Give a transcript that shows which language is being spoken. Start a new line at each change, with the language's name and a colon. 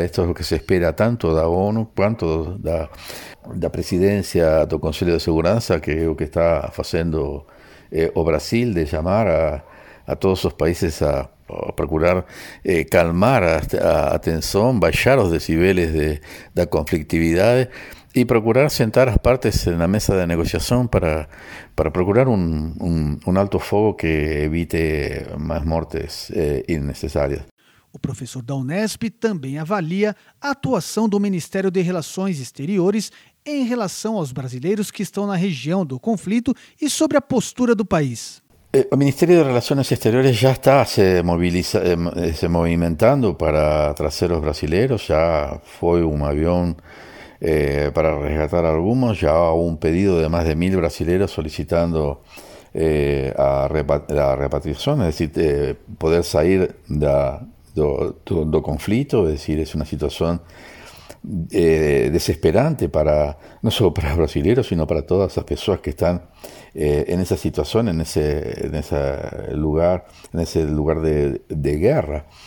Spanish: Esto es lo que se espera tanto de la ONU cuanto de la presidencia del Consejo de Seguridad, que es lo que está haciendo o Brasil, de llamar a todos los países a procurar calmar la tensión, bajar los decibeles de la conflictividad y procurar sentar las partes en la mesa de negociación para procurar un alto fuego que evite más muertes innecesarias.
Portuguese: O professor da Unesp também avalia a atuação do Ministério de Relações Exteriores em relação aos brasileiros que estão na região do conflito e sobre a postura do país.
Spanish: El Ministerio de Relaciones Exteriores ya está
Portuguese: se movimentando
Spanish: para traer a los brasileños, ya fue un avión para rescatar a algunos, ya hubo un pedido de más de 1,000 brasileños solicitando la repatriación, es decir, poder salir del conflicto, es decir, es una situación desesperante para no solo para los brasileños, sino para todas las personas que están en esa situación, en ese lugar de guerra.